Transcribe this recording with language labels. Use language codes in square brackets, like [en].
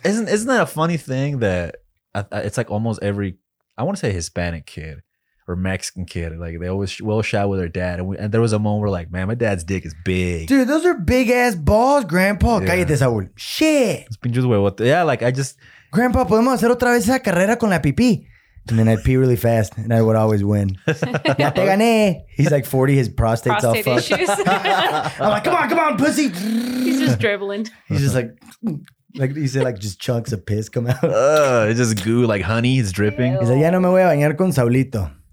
[en] Isn't that a funny thing that it's like almost every, I want to say Hispanic kid or Mexican kid, like they always will shout with their dad. And there was a moment where like, man, my dad's dick is big. Dude, those are big ass balls, grandpa. [es] Cállate esa bol. [en] Shit. It's been just way, yeah, like I just. [es] Grandpa, podemos hacer otra vez esa carrera con la pipí. [en] And then I'd pee really fast, and I would always win. [es] Ya te gané. [en] He's like 40. His prostate's all fucked. I'm like, come on, pussy. He's just dribbling. He's just like you said, like just chunks of piss come out. It's just goo, like honey. It's dripping. He's like, [es] ya no me voy a bañar con Saulito.